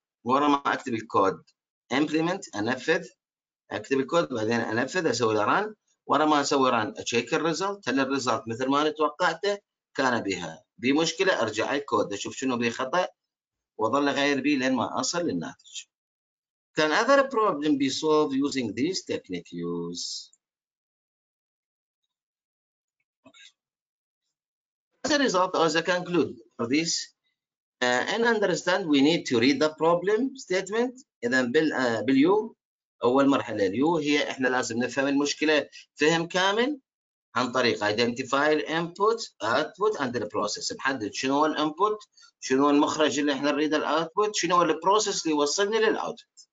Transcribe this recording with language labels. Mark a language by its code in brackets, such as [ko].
[ar] ورا ما اكتب الكود implement انفذ اكتب الكود بعدين انفذ اسوي ران. ورا ما اسوي ران اتشيك الريزلت هل الريزلت مثل ما انا توقعته كان بها بمشكله ارجع الكود اشوف شنو به خطا واظل اغير به لين ما اصل للناتج. [en] Can other problem be solved using this technique use? Okay. As a result, as I conclude for this, and understand we need to read the problem statement. [ar] إذا بال U أول مرحلة U هي إحنا لازم نفهم المشكلة فهم كامل عن طريق [en] identify the input, output and the process. [ar] نحدد شنو هو الانبوت شنو هو المخرج اللي إحنا نريد الاوتبوت شنو هو البروسيس اللي يوصلني للاوتبوت.